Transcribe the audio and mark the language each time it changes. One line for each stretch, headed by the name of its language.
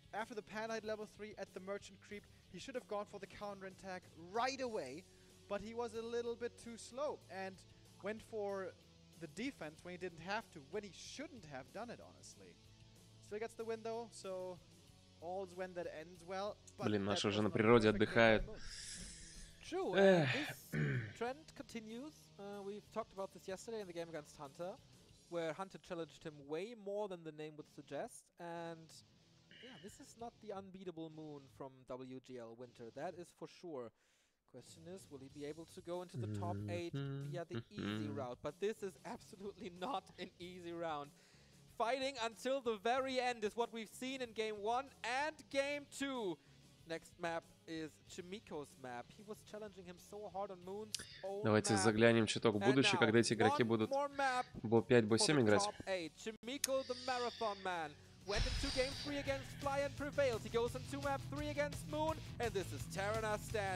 English: After the Panhide level 3 at the Merchant Creep, he should have gone for the counterattack right away. But he was a little bit too slow and went for the defense when he didn't have to, when he shouldn't have done it, honestly. Still gets the win though, so all's when that ends well.
Russian: Блин, наша уже на природе отдыхает.
English: True, this trend continues. We've talked about this yesterday in the game against Hunter, where Hunter challenged him way more than the name would suggest, and yeah, this is not the unbeatable Moon from WGL Winter, that is for sure. Question is, will he be able to go into the top 8 via the easy route? But this is absolutely not an easy round. Fighting until the very end is what we've seen in game 1 and game 2. Next map is Chimiko's map. He was challenging him so hard on Moon's own.
Russian: Давайте
English: map.
Russian: Заглянем чуток в будущее, когда эти игроки будут Бо-5, Бо-7 играть.
English: Chimiko the Marathon Man. Went into game 3 against Fly and prevailed. He goes into map 3 against Moon, and this is Terran Stand.